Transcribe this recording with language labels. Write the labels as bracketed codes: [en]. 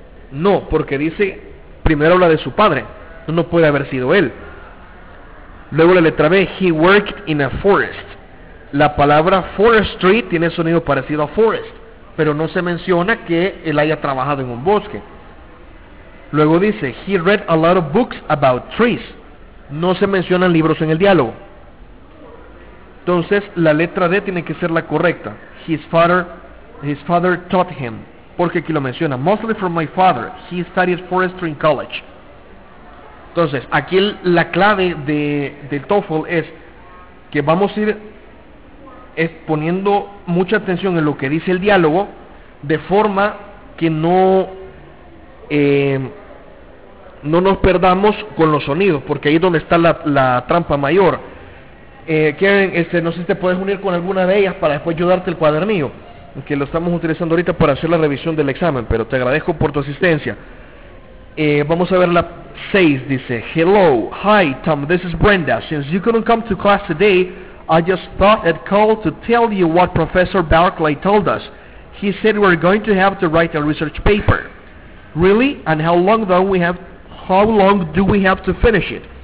[es] No, porque dice, primero habla de su padre. No puede haber sido él. Luego la letra B. [en] He worked in a forest. [es] La palabra forestry tiene sonido parecido a forest, pero no se menciona que él haya trabajado en un bosque. Luego dice, [en] he read a lot of books about trees. [es] No se mencionan libros en el diálogo. Entonces, la letra D tiene que ser la correcta. [en] His father taught him. [es] Porque aquí lo menciona. [en] Mostly from my father. He studied forestry in college. [es] Entonces, aquí la clave del TOEFL es que vamos a ir poniendo mucha atención en lo que dice el diálogo, de forma que no no nos perdamos con los sonidos, porque ahí es donde está la trampa mayor. Kevin, no sé si te puedes unir con alguna de ellas para después yo darte el cuadernillo, que lo estamos utilizando ahorita para hacer la revisión del examen, pero te agradezco por tu asistencia. Vamos a ver la 6, dice: [en] Hello, hi Tom, this is Brenda. Since you couldn't come to class today, I just thought I'd call to tell you what Professor Barclay told us. He said we're going to have to write a research paper. Really? And how long do we have to finish it?